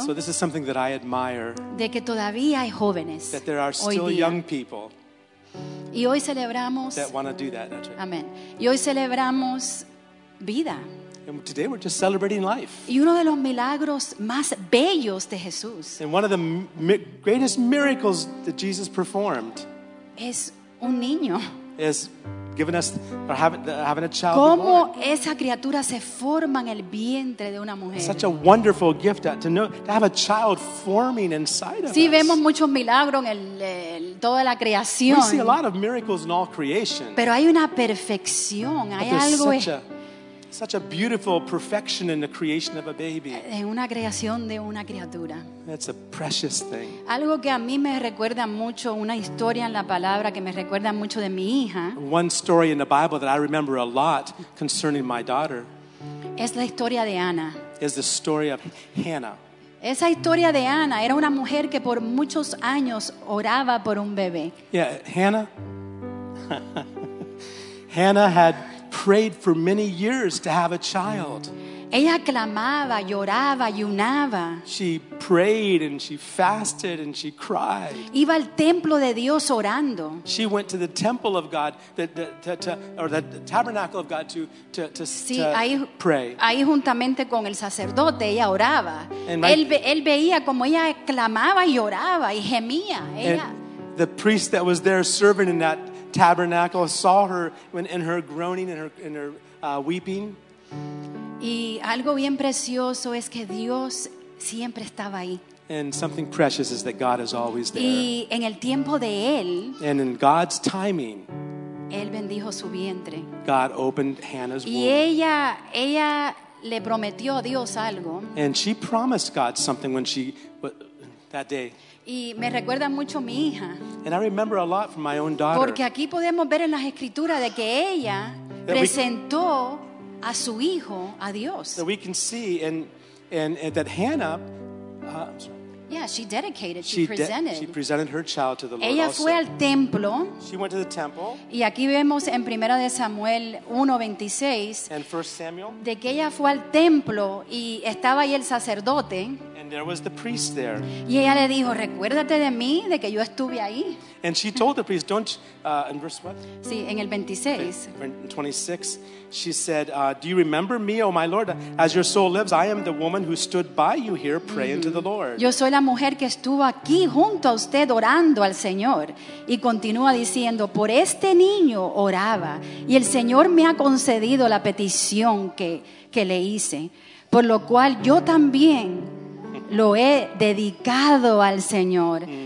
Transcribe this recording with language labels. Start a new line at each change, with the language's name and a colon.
English: so this is something that I admire,
Spanish: de que todavía hay jóvenes,
English: that there are still young people,
Spanish: y hoy celebramos,
English: that want to do that, don't you?
Spanish: Amen. Y hoy celebramos vida.
English: And today we're just celebrating life.
Spanish: Y uno de los milagros más bellos de Jesús,
English: and one of the greatest miracles that Jesus performed,
Spanish: es un niño.
English: Is giving us or having a child.
Spanish: Cómo esa criatura se forma en el vientre de una mujer.
English: Such a wonderful gift to know to have a child forming inside of us.
Spanish: Sí, vemos muchos milagros en toda la creación.
English: We see a lot of miracles in all creation.
Spanish: Pero hay una perfección, hay algo.
English: Such a beautiful perfection in the creation of a baby.
Spanish: En una creación de una criatura.
English: That's a precious thing.
Spanish: Algo que a mí me recuerda mucho una historia en la palabra que me recuerda mucho de mi hija.
English: One story in the Bible that I remember a lot concerning my daughter.
Spanish: Es la historia de Ana.
English: Is the story of Hannah.
Spanish: Esa historia de Ana era una mujer que por muchos años oraba por un bebé.
English: Yeah, Hannah. Hannah had prayed for many years to have a child.
Spanish: Ella clamaba, lloraba, ayunaba.
English: She prayed and she fasted and she cried.
Spanish: Iba al templo de Dios orando.
English: She went to the temple of God, the tabernacle of God to
Spanish: sí,
English: to
Spanish: ahí,
English: pray.
Spanish: Ahí juntamente con el sacerdote ella oraba. Él veía como ella clamaba, lloraba y gemía.
English: The priest that was there serving in that tabernacle saw her when in her groaning and her weeping.
Spanish: Y algo bien precioso es que Dios siempre estaba ahí.
English: And something precious is that God is always there.
Spanish: Y en el tiempo de él,
English: and in God's timing,
Spanish: él bendijo su vientre.
English: God opened Hannah's womb.
Spanish: Y ella le prometió a Dios algo.
English: And she promised God something when she that day.
Spanish: Y me recuerda mucho mi hija.
English: And I remember a lot from my own daughter.
Spanish: Porque aquí podemos ver en las escrituras de que ella presentó a su hijo a Dios.
English: So we can see and that Hannah, she dedicated. She presented. She presented her child to the Lord.
Spanish: Ella fue
English: also
Spanish: al templo.
English: She went to the temple.
Spanish: Y aquí vemos en Primera de Samuel 1:26.
English: And First Samuel.
Spanish: De que ella fue al templo y estaba ahí el sacerdote.
English: And there was the priest there.
Spanish: Y ella le dijo, recuérdate de mí, de que yo estuve ahí.
English: And she told the priest, don't in verse what?
Spanish: Sí, en el 26.
English: Okay, 26, she said, do you remember me, O my Lord? As your soul lives, I am the woman who stood by you here praying to the Lord.
Spanish: Yo soy la mujer que estuvo aquí junto a usted orando al Señor. Y continúa diciendo, por este niño oraba. Y el Señor me ha concedido la petición que le hice. Por lo cual yo también lo he dedicado al Señor.